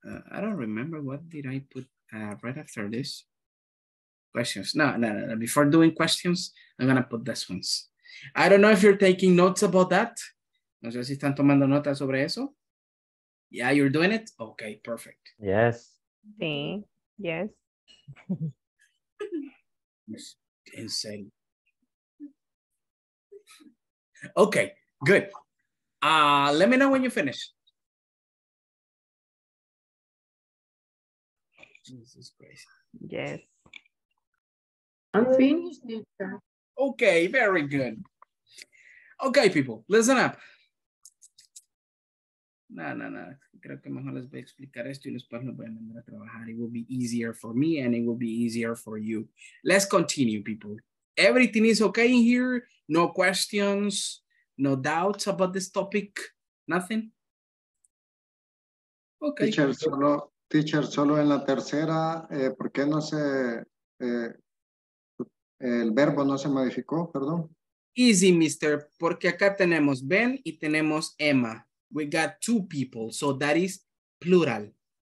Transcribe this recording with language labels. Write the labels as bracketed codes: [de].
[en] I don't remember what did I put right after this. Questions. No. Before doing questions, I'm gonna put this ones. I don't know if you're taking notes about that. [es] No sé si están tomando notas sobre eso. [en] Yeah, you're doing it? Okay, perfect. Yes. [es] Sí, [en] yes. Insane. Okay, good. Let me know when you finish. Jesus Christ. Yes. I'm finished, teacher. Okay, very good. Okay, people, listen up. No. [es] Creo que mejor les voy a explicar esto y después nos voy a mandar a trabajar. [en] It will be easier for me and it will be easier for you. Let's continue, people. Everything is okay in here. No questions, no doubts about this topic, nothing. Okay. Teacher, [es] solo en la tercera, ¿por qué no se, el verbo no se modificó, perdón? [en] Easy, mister, [es] porque acá tenemos Ben y tenemos Emma. [en] We got two people, so that is plural.